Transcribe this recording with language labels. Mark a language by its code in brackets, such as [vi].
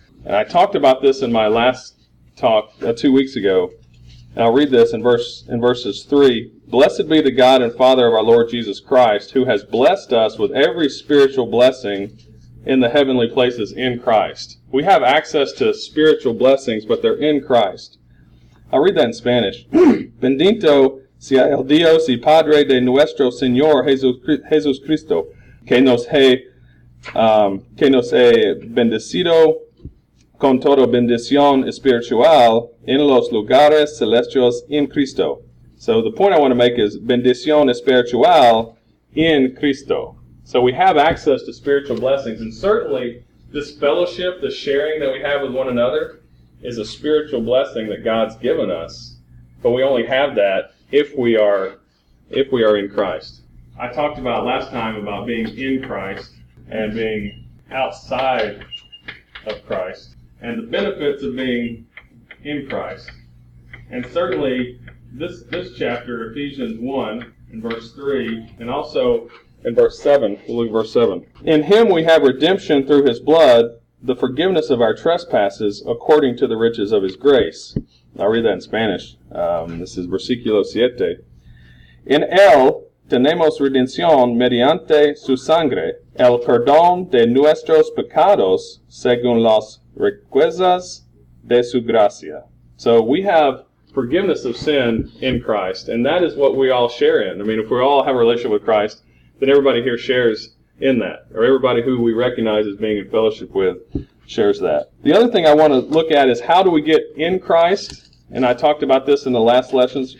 [en] And I talked about this in my last talk 2 weeks ago. And I'll read this in verses 3. Blessed be the God and Father of our Lord Jesus Christ, who has blessed us with every spiritual blessing in the heavenly places in Christ. We have access to spiritual blessings, but they're in Christ. I'll read that in Spanish. [es] Bendito sea el Dios y Padre de nuestro Señor Jesús Cristo, que nos ha bendecido con toda bendición espiritual en los lugares celestiales en Cristo. [en] So the point I want to make is [es] bendición espiritual en Cristo. [en] So we have access to spiritual blessings, and certainly this fellowship, the sharing that we have with one another, is a spiritual blessing that God's given us, but we only have that if we are in Christ. I talked about last time about being in Christ and being outside of Christ, and the benefits of being in Christ. And certainly this chapter, Ephesians 1 and verse 3, and also in verse 7, we'll look at verse 7. In him we have redemption through his blood, the forgiveness of our trespasses, according to the riches of his grace. I'll read that in Spanish. This is versículo 7. [es] In él tenemos redención mediante su sangre, el perdón de nuestros pecados, según las riquezas de su gracia. [en] So we have forgiveness of sin in Christ, and that is what we all share in. I mean, if we all have a relationship with Christ, then everybody here shares in that, or everybody who we recognize as being in fellowship with shares that. The other thing I want to look at is how do we get in Christ, and I talked about this in the last lessons.